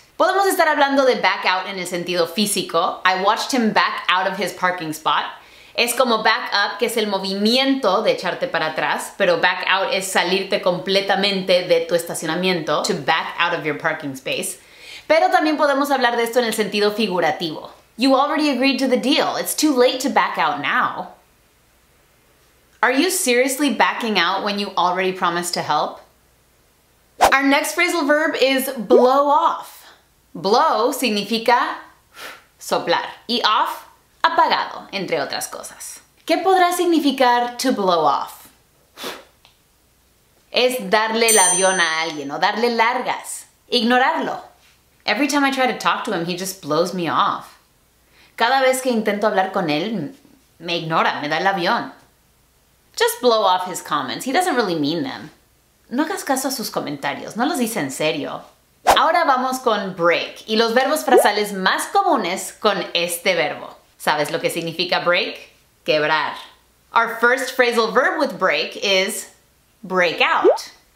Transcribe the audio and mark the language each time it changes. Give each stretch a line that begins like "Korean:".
Spanish: Podemos estar hablando de back out en el sentido físico.
English: I watched him back out of his parking spot.
Spanish: Es como back up, que es el movimiento de echarte para atrás, pero back out es salirte completamente de tu estacionamiento.
English: To back out of your parking space.
Spanish: Pero también podemos hablar de esto en el sentido figurativo.
English: You already agreed to the deal. It's too late to back out now. Are you seriously backing out when you already promised to help? Our next phrasal verb is blow off. Blow significa soplar.
Spanish: Y off, apagado, entre otras cosas. ¿Qué podrá significar to blow off? Es darle el avión a alguien o darle largas. Ignorarlo.
English: Every time I try to talk to him, he just blows me off.
Spanish: Cada vez que intento hablar con él, me ignora, me da el avión.
English: Just blow off his comments. He doesn't really mean them.
Spanish: No hagas caso a sus comentarios. No los dice en serio. Ahora vamos con break y los verbos frasales más comunes con este verbo. ¿Sabes lo que significa break? Quebrar.
English: Our first phrasal verb with break is break out.